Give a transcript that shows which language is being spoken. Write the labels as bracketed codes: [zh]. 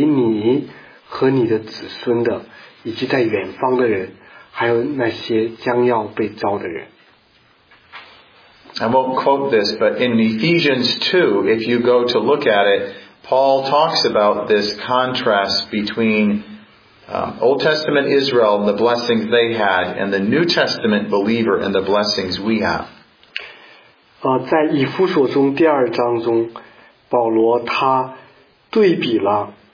[zh] 彼得呢，在使徒行传中，在五旬节的时候，他对那些新的信徒们讲了这样的一句话：这个应许，上帝的应许是给你和你的子孙的。 [en] I won't quote this, but in Ephesians 2, if you go to look at it, Paul talks about this contrast between Old Testament Israel and the blessings they had, and the New Testament believer and the blessings we have. [zh] 在以弗所中第二章中，保罗他对比了。